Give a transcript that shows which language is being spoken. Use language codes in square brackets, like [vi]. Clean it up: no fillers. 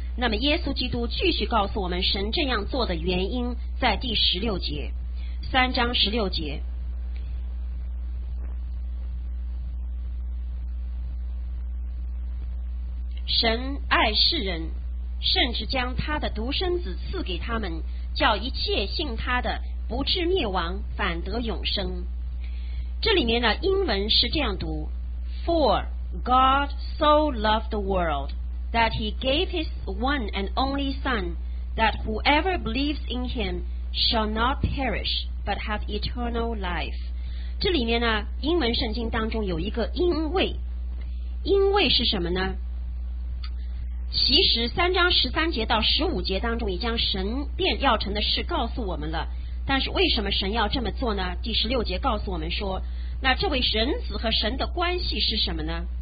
[zh] 那么耶稣基督继续告诉我们神这样做的原因，在第十六节，三章十六节，神爱世人，甚至将他的独生子赐给他们，叫一切信他的不至灭亡，反得永生。这里面的英文是这样读， [en] For God so loved the world that he gave his one and only son, that whoever believes in him shall not perish but have eternal life。 [zh] 这里面呢，英文圣经当中有一个因为，因为是什么呢？其实三章十三节到十五节当中已将神变要成的事告诉我们了，但是为什么神要这么做呢？第十六节告诉我们说，那这位人子和神的关系是什么呢？